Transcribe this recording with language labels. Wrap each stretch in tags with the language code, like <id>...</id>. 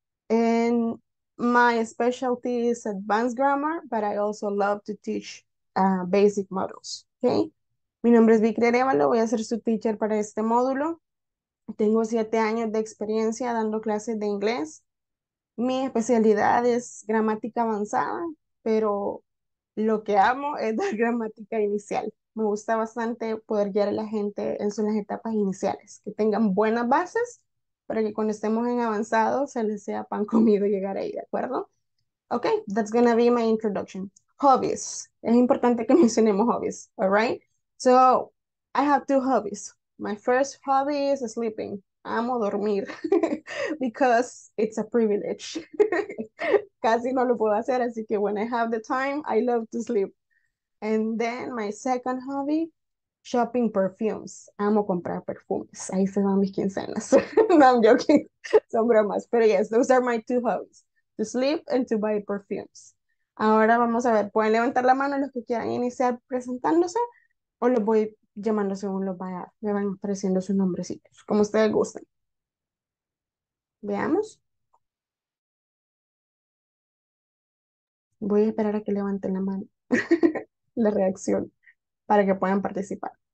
<en>And my specialty is advanced grammar, but I also love to teach basic modules. Okay?</en> <es>Mi nombre es Vicky Arevalo, voy a ser su teacher para este módulo. Tengo 7 años de experiencia dando clases de inglés. Mi especialidad es gramática avanzada. Pero lo que amo es dar gramática inicial. Me gusta bastante poder guiar a la gente en sus etapas iniciales, que tengan buenas bases para que cuando estemos en avanzado se les sea pan comido llegar ahí, ¿de acuerdo?</es> <en>Ok, that's gonna be my introduction. Hobbies.</en> <es>Es importante que mencionemos hobbies,</es> <en>all right? So, I have two hobbies. My first hobby is sleeping.</en> <es>Amo dormir</es> <en>because it's a privilege.</en> <es>Casi no lo puedo hacer, así que</es> <en>when I have the time, I love to sleep. And then my second hobby, shopping perfumes.</en> <es>Amo comprar perfumes. Ahí se van mis quincenas.</es> <en>No, I'm joking.</en> <es>Son bromas.</es> <en>Pero yes, those are my two hobbies, to sleep and to buy perfumes.</en> <es>Ahora vamos a ver, pueden levantar la mano los que quieran iniciar presentándose o los voy llamando según los vaya, me van apareciendo sus nombrecitos, como ustedes gusten. Veamos. Voy a esperar a que levanten la mano, la reacción, para que puedan participar.</es>